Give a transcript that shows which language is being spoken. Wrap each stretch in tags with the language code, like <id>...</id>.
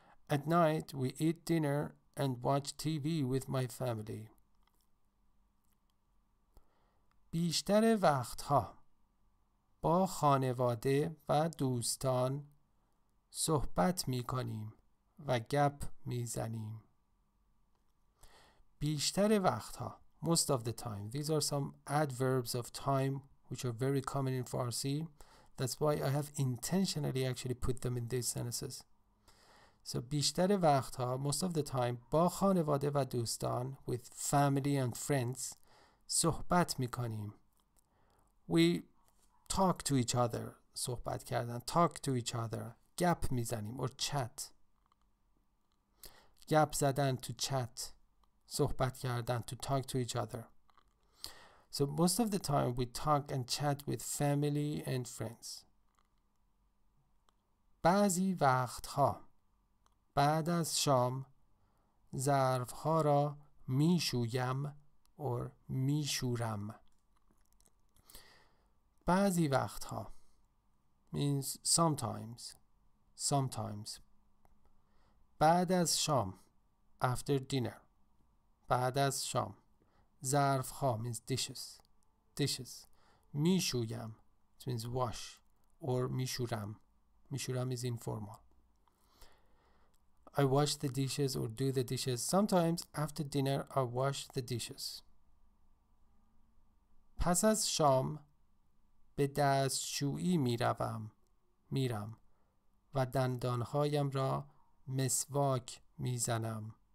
<en>At night, we eat dinner and watch TV with my family.</en> <fa>بیشتر وقتها با خانواده و دوستان صحبت میکنیم و گپ میزنیم. بیشتر وقتها,</fa> <en>most of the time. These are some adverbs of time which are very common in Farsi. That's why I have intentionally actually put them in these sentences. So</en> <fa>بیشتر وقتها,</fa> <en>most of the time,</en> <fa>با خانواده و دوستان,</fa> <en>with family and friends,</en> <fa>صحبت میکنیم.</fa> <en>We talk to each other.</en> <fa>صحبت کردن,</fa> <en>talk to each other.</en> <fa>گپ میزنیم</fa> <en>or chat.</en> <fa>گپ زدن,</fa> <en>to chat.</en> <fa>صحبت کردن,</fa> <en>to talk to each other. So most of the time we talk and chat with family and friends.</en> <fa>بعضی وقتها بعد از شام ظرفها را میشویم or میشورم. بعضی وقتها</fa> <en>means sometimes. Sometimes.</en> <fa>بعد از شام,</fa> <en>after dinner.</en> <fa>بعد از شام ظرفها</fa> <en>means dishes. Dishes.</en> <fa>میشویم,</fa> <en>it means wash, or</en> <fa>میشورم.</fa> <en>میشورم is informal. I wash the dishes or do the dishes. Sometimes after dinner I wash the dishes.</en> <fa>پس از شام به دستشویی میروم, میرم و دندانهایم را مسواک میزنم.</fa>